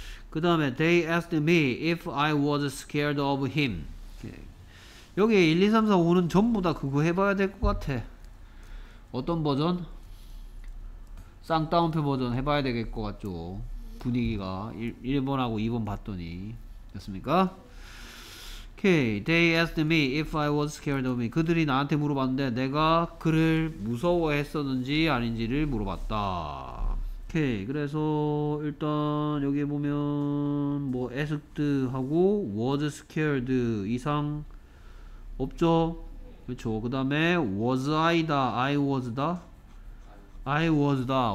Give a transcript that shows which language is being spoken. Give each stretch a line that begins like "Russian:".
Korean: 그 다음에
English: they asked me if I was scared of him.
Korean: 여기 1, 2, 3, 4, 5는 전부 다 그거 해봐야 될것 같아. 어떤 버전? 쌍따옴표 버전 해봐야 될것 같죠. 분위기가 1번하고 2번 봤더니 됐습니까?
English: Okay, they asked me if I was scared of him.
Korean: 그들이 나한테 물어봤는데 내가 그를 무서워했었는지 아닌지를 물어봤다. 오케이 그래서 일단 여기에 보면 뭐 asked 하고 was scared 이상 없죠? 그렇죠. 그 다음에 was I다, I was다. I was다.